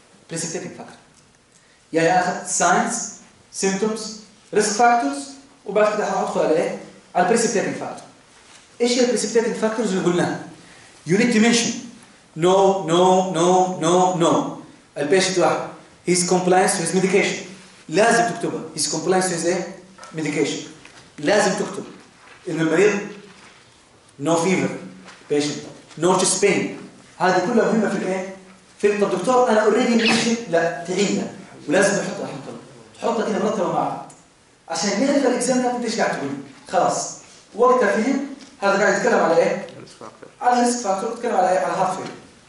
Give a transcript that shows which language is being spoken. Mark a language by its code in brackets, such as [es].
[ar] بريسيبتيتنج فاكتور يعني أخذت ساينس سيمتومز ريسك فاكتورز وبعد كده حأدخل على إيه؟ على البريسيبتيتنج فاكتور إيش هي البريسيبتيتنج فاكتورز اللي قلناها؟ [en] You need to mention No, no, no, no, no. The patient one, his compliance to his medication. [ar] لازم تكتبه. [en] His compliance to his medication. [ar] لازم تكتب. إن المريض [en] no fever, patient. No chest pain. [ar] هذه كلها مهمة في الإيه. في طب دكتور أنا already ماشي لا تعيده. ولازم تحطه الحين طب. تحطه كده مرتبة معه. عشان ليه في الإكزام لا تدش قاعد تقول. خلاص. وقتها فيهم هذا قاعد يتكلم على إيه. على risk factor تكلم على إيه على heart failure.